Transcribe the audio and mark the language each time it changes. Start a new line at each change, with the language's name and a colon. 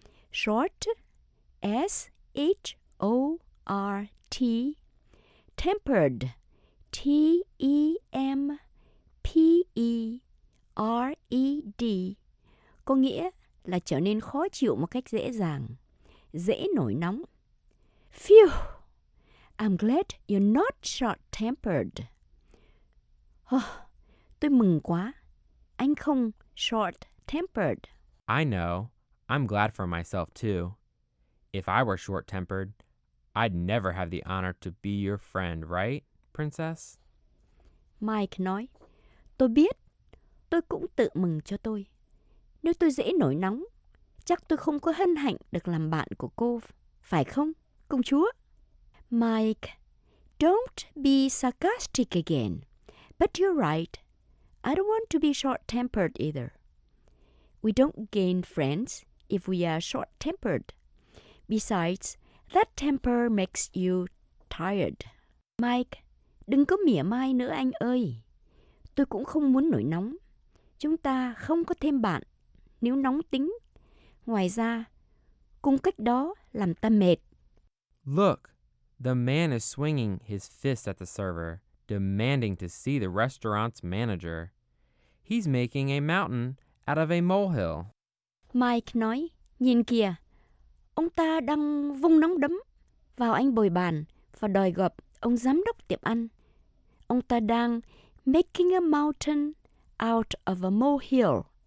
Vietnamese: Short, S-H-O-R-T, tempered, T-E-M-P-E-R-E-D, có nghĩa là trở nên khó chịu một cách dễ dàng, dễ nổi nóng.
English: Phew, I'm glad you're not short-tempered.
Vietnamese: Oh, tôi mừng quá, anh không short-tempered.
English: Tempered. I know. I'm glad for myself, too. If I were short-tempered, I'd never have the honor to be your friend, right, princess?
Vietnamese: Mike nói, tôi biết. Tôi cũng tự mừng cho tôi. Nếu tôi dễ nổi nóng, chắc tôi không có hân hạnh được làm bạn của cô, phải không, công chúa?
English: Mike, don't be sarcastic again. But you're right. I don't want to be short-tempered either. We don't gain friends if we are short-tempered. Besides, that temper makes you tired.
Vietnamese: Mike, đừng có mỉa mai nữa anh ơi. Tôi cũng không muốn nổi nóng. Chúng ta không có thêm bạn nếu nóng tính. Ngoài ra, cùng cách đó làm ta mệt.
English: Look, the man is swinging his fist at the server, demanding to see the restaurant's manager. He's making a mountain out of a molehill.
Vietnamese: Mike nói, nhìn kìa, ông ta đang vung nắm đấm vào anh bồi bàn và đòi gặp ông giám đốc tiệm ăn. Ông ta đang
English: making a mountain out of a molehill.